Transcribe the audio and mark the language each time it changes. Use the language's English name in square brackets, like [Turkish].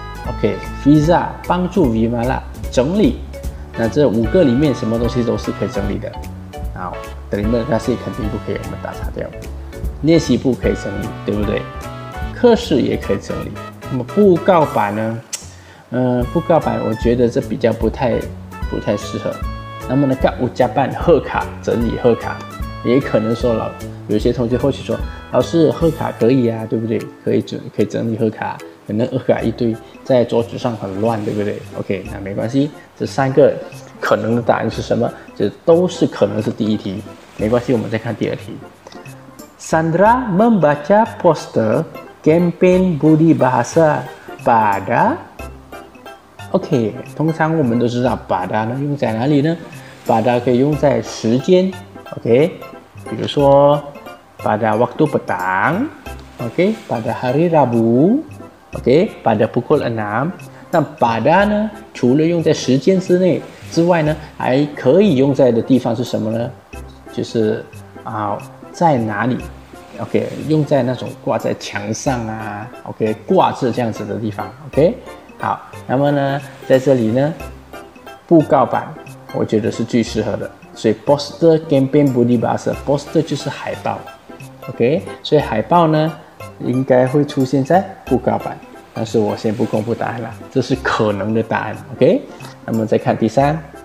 [Chinese] OK, Fiza 帮助 Vimala 整理。那这五个里面什么东西都是可以整理的。好， [Malay] terima kasih [Chinese] 肯定不可以，我们打叉掉。练习簿可以整理，对不对？课室也可以整理。那么布告板呢？布告板我觉得这比较不太适合。那么呢，干五加半贺卡整理贺卡，也可能说了，有些同学或许说，老师贺卡可以啊，对不对？可以整理贺卡，可能贺卡一堆在桌子上很乱，对不对 ？OK， 那没关系，这三个可能的答案是什么？这都是可能是第一题，没关系，我们再看第二题。 [Malay] Sandra membaca poster kampanye Budi Bahasa pada。 [Chinese] OK， 通常我们都知道 pada 呢用在哪里呢？ pada 可以用在时间， OK， 比如说 [Malay] pada waktu petang， [Chinese] OK， [Malay] pada hari Rabu， [Chinese] OK， [Malay] pada pukul 6。 [Chinese] 那 pada 呢除了用在时间之内之外呢，还可以用在的地方是什么呢？就是在哪里， OK， 用在那种挂在墙上啊， OK， 挂着这样子的地方， OK。好，那么呢在这里呢布告板我觉得是最适合的，所以 poster campaign body bus poster 就是海报， OK， 所以海报呢应该会出现在布告板，但是我先不公布答案了，这是可能的答案， OK。 那么再看第三，